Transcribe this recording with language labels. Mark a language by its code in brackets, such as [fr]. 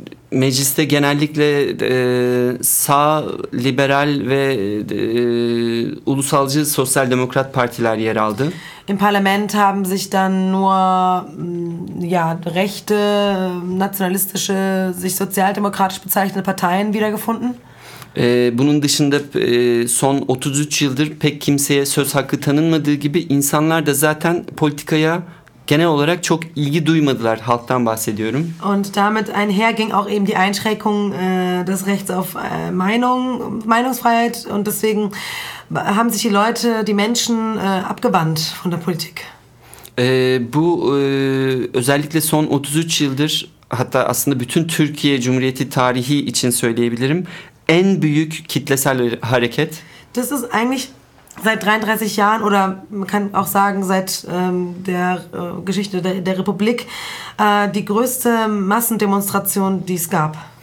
[tr] Mecliste genellikle sağ, liberal ve ulusalcı sosyal demokrat partiler yer aldı. [de] Im Parlament haben sich dann nur rechte, nationalistische, sich sozialdemokratisch bezeichnete Parteien wiedergefunden. [tr] Bunun dışında son 33 yıldır pek kimseye söz hakkı tanınmadığı gibi insanlar da zaten politikaya genel olarak çok ilgi duymadılar, halktan bahsediyorum. [de] Und damit einherging auch eben die Einschränkung des Rechts auf Meinungsfreiheit und deswegen haben sich die Menschen abgewandt von der Politik. [tr] Bu özellikle son 33 yıldır, hatta aslında bütün Türkiye Cumhuriyeti tarihi için söyleyebilirim, en büyük kitlesel hareket. [de] Das ist eigentlich seit 33 Jahren oder man kann auch sagen seit der Geschichte der Republik die größte Massendemonstration, die es gab.